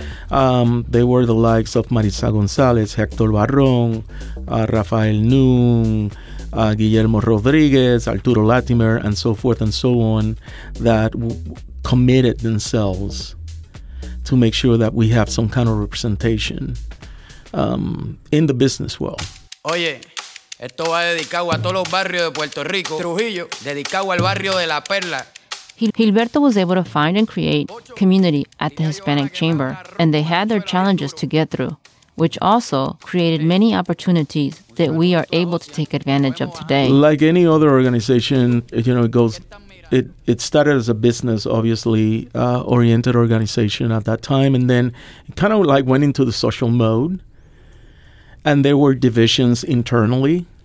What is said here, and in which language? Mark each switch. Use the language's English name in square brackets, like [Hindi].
[English] There were the likes of Marisa Gonzalez, Hector Barron, Rafael Nung, Guillermo Rodriguez, Arturo Latimer, and so forth and so on, that committed themselves to make sure that we have some kind of representation in the business world. [Spanish] Oye, esto va dedicado a todos los barrios de Puerto Rico. Trujillo, dedicado al barrio de La Perla. [English] Gilberto was able to find and create community at the Hispanic Chamber, and they had their challenges to get through, which also created many opportunities that we are able to take advantage of today. Like any other organization, you know, it started as a business, obviously, oriented organization at that time, and then it kind of like went into the social mode, and there were divisions internally.